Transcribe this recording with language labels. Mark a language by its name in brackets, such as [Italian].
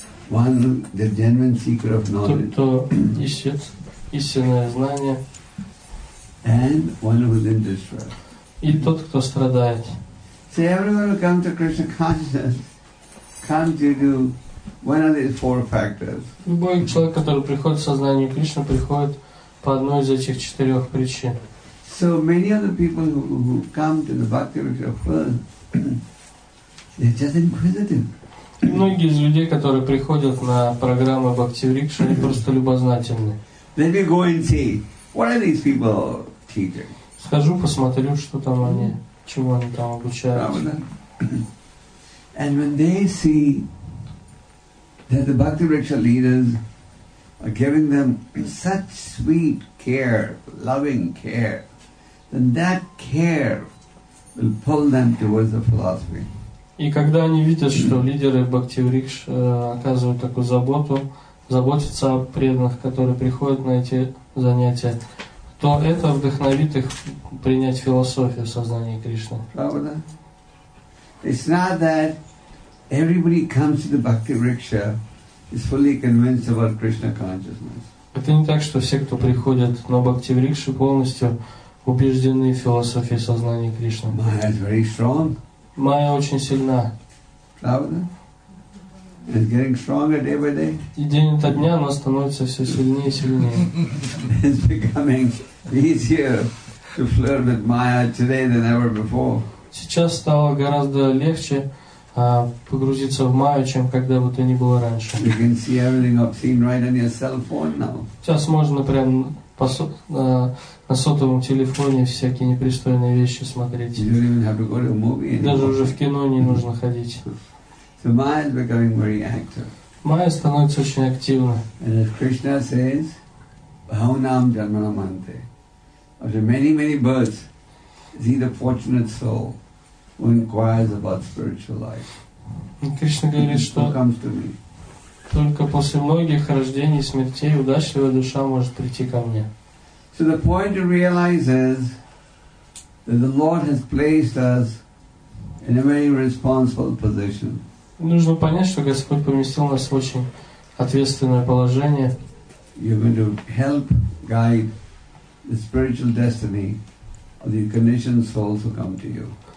[English] One who, the genuine seeker of knowledge. [Russian] Тот, кто ищет истинное знание. [English] And one who is in distress. [Russian] И тот, кто страдает. [English] So everyone who comes to Krishna consciousness comes due to one of these four factors. [Russian] Любой человек, который приходит в сознание Кришны, приходит по одной из этих четырех причин. [English] So many of the people who come to the Bhakti Raksha first. They're just inquisitive. [Russian] Многие из людей, которые приходят на программы Bhakti Vriksha, они просто любознательны. [English] Let me go and see. What are these people teaching? [Russian] Схожу, посмотрю, что там они, чему они там обучаются. [English] And when they see that the Bhakti Vriksha leaders are giving them such sweet care, loving care, then that care will pull them towards the philosophy. [Russian] И когда они видят, что лидеры Бхакти Вриксы оказывают такую заботу, заботятся о преданных, которые приходят на эти занятия, то это вдохновит их принять философию сознания Кришны. Правда? [English] It's not that everybody comes to the Bhakti Vriksha is fully convinced about Krishna consciousness. [Russian] Это не так, что все, кто приходит на Бхакти Вриксу, полностью убеждены в философии сознания Кришны. [English] Майя very strong. [Russian] Майя очень сильна. Правда? [English] It's getting stronger day by day. [Russian] И день ото дня она становится все сильнее и сильнее. [English] It's becoming easier to flirt with Maya today than ever before. [Russian] Сейчас стало гораздо легче погрузиться в Майю, чем когда бы то ни было раньше. [English] You can see everything obscene right on your cell phone now. [Russian] Сейчас можно прям на сотовом телефоне всякие непристойные вещи смотреть. [English] You don't even have to go to a movie anymore. [Russian] Даже уже в кино не нужно ходить. [English] So Maya is becoming very active. [Russian] Майя становится очень активна. [English] And as Krishna says, Bhavanam Janmanamante. After many, many births, is he the fortunate soul who inquires about spiritual life? [Russian] Кришна говорит, что... [English] Who comes to me? [Russian] Только после многих рождений, смертей удачливая душа может прийти ко мне. [English] So the point to realize is that the Lord has placed us in a very responsible position. [Russian] Нужно понять, что Господь поместил нас в очень ответственное положение. [English] You're going to help guide the spiritual destiny of the conditioned souls who come to you.